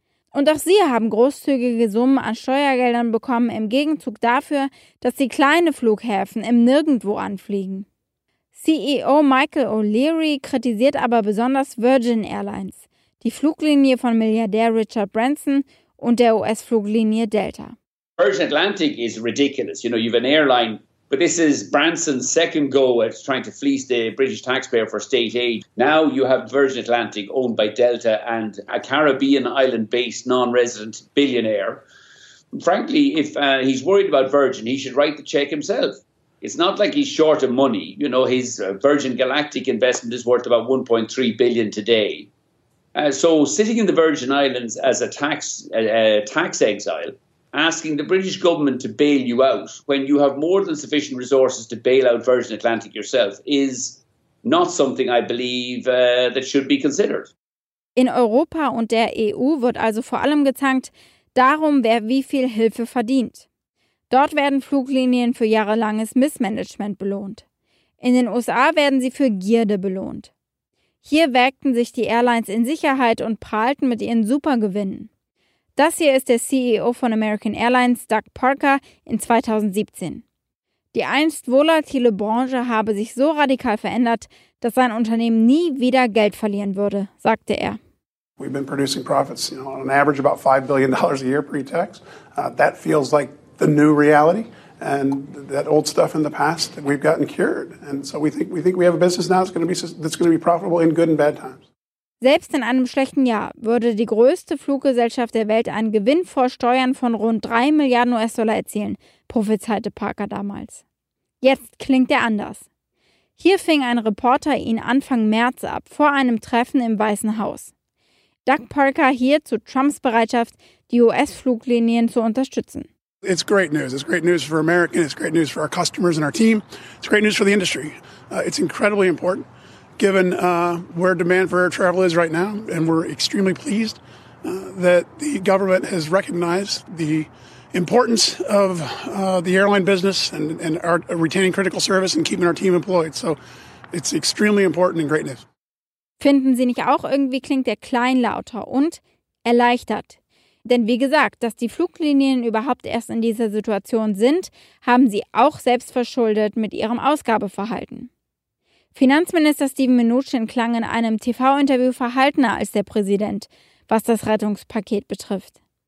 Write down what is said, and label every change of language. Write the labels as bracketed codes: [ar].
[de] Und auch sie haben großzügige Summen an Steuergeldern bekommen, im Gegenzug dafür, dass sie kleine Flughäfen im Nirgendwo anfliegen. CEO Michael O'Leary kritisiert aber besonders Virgin Airlines, die Fluglinie von Milliardär Richard Branson und der US-Fluglinie Delta. [en] Virgin Atlantic is ridiculous. You know, you've an airline, but this is Branson's second go at trying to fleece the British taxpayer for state aid. Now you have Virgin Atlantic owned by Delta and a Caribbean island-based non-resident billionaire. Frankly, if he's worried about Virgin, he should write the check himself. It's not like he's short of money. You know, his Virgin Galactic investment is worth about $1.3 billion today. So sitting in the Virgin Islands as a tax exile, asking the British government to bail you out when you have more than sufficient resources to bail out Virgin Atlantic yourself is not something I believe that should be considered. [de] In Europa und der EU wird also vor allem gezankt darum, wer wie viel Hilfe verdient. Dort werden Fluglinien für jahrelanges Missmanagement belohnt. In den USA werden sie für Gierde belohnt. Hier wägten sich die Airlines in Sicherheit und prahlten mit ihren Supergewinnen. Das hier ist der CEO von American Airlines, Doug Parker, in 2017. Die einst volatile Branche habe sich so radikal verändert, dass sein Unternehmen nie wieder Geld verlieren würde, sagte er. [en] We've been producing profits, you know, on an average about $5 billion a year pre-tax. That feels like the new reality, and that old stuff in the past that we've gotten cured. And so we think we have a business now that's going to be profitable in good and bad times. [de] Selbst in einem schlechten Jahr würde die größte Fluggesellschaft der Welt einen Gewinn vor Steuern von rund 3 Milliarden US-Dollar erzielen, prophezeite Parker damals. Jetzt klingt er anders. Hier fing ein Reporter ihn Anfang März ab, vor einem Treffen im Weißen Haus. Doug Parker hier zu Trumps Bereitschaft, die US-Fluglinien zu unterstützen. [en] It's great news. It's great news for America. It's great news for our customers and our team. It's great news for the industry. It's incredibly important, given where demand for air travel is right now. And we're extremely pleased that the government has recognized the importance of the airline business and our retaining critical service and keeping our team employed. So it's extremely important and great news. [de] Finden Sie nicht auch, irgendwie klingt der Klein lauter und erleichtert? Denn wie gesagt, dass die Fluglinien überhaupt erst in dieser Situation sind, haben sie auch selbst verschuldet mit ihrem Ausgabeverhalten. Finanzminister Steven Mnuchin klang in einem TV-Interview verhaltener als der Präsident, was das Rettungspaket betrifft.